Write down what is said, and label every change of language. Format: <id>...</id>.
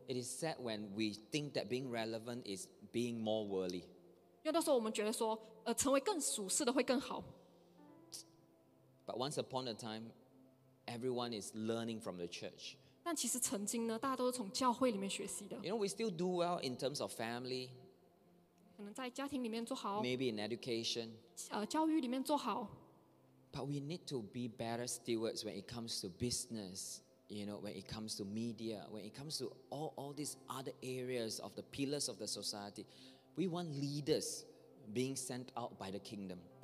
<en>It is sad when we think that being relevant is being more worldly.</en> <zh>因为那时候我们觉得说，成为更属世的会更好。</zh> <en>But once upon a time, everyone is learning from the church.</en> <zh>但其实曾经呢，大家都是从教会里面学习的。</zh> <en>You know, we still do well in terms of family.</en> <zh>可能在家庭里面做好。</zh> <en>Maybe in education.</en> <zh>教育里面做好。</zh> <en>But we need to be better stewards when it comes to business. You know, when it comes to media, when it comes to all these other areas of the pillars of the society, we want leaders being sent out by the kingdom.</en>